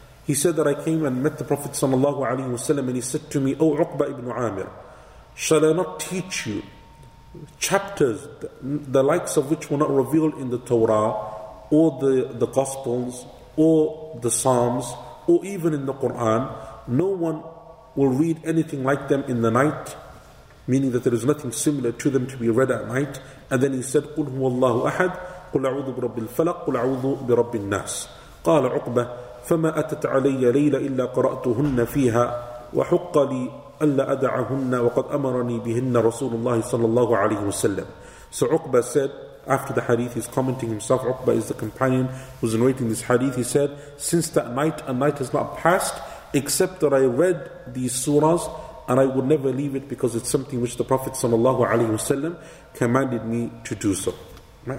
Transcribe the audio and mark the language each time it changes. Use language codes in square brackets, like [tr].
[en] He said that I came and met the Prophet صلى الله عليه وسلم and he said to me, O عقبة بن عامر, shall I not teach you chapters the likes of which were not revealed in the Torah or the Gospels or the Psalms or even in the Quran? No one will read anything like them in the night, meaning that there is nothing similar to them to be read at night. And then he said, [ar] قُلْ هُوَ اللَّهُ أَحَدْ قُلْ أَعُوذُ بِرَبِّ الْفَلَقْ قُلْ أَعُوذُ بِرَبِّ النَّاسِ. قَالَ عُقْبَةَ فَمَا أَتَتْ عَلَيَّ لَيْلَ إِلَّا قَرَأْتُهُنَّ فِيهَا وَحُقَّ لِي ألا أدعهن وقد أمرني بهن رسول الله صلى الله عليه وسلم. [en] So Uqba said, after the hadith, he's commenting himself, Uqba is the companion who's narrating this hadith, he said, since that night, a night has not passed except that I read these surahs, and I would never leave it because it's something which the Prophet صلى الله عليه وسلم commanded me to do so. Right?